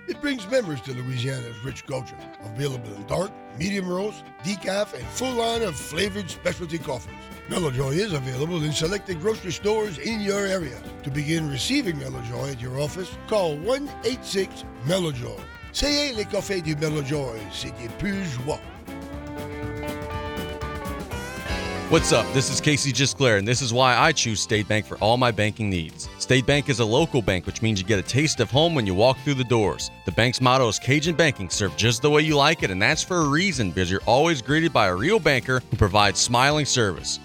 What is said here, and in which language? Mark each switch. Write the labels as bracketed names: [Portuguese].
[English] It brings memories to Louisiana's rich culture. Available in dark, medium roast, decaf, and full line of flavored specialty coffees. Mellow Joy is available in selected grocery stores in your area. To begin receiving Mellow Joy at your office, call 1-866-MELLOWJOY. [French] C'est le café du Mellow Joy, c'est du pur joie. [English] What's up? This is Casey Gisclair, and this is why I choose State Bank for all my banking needs. State Bank is a local bank, which means you get a taste of home when you walk through the doors. The bank's motto is Cajun banking, serve just the way you like it, and that's for a reason, because you're always greeted by a real banker who provides smiling service.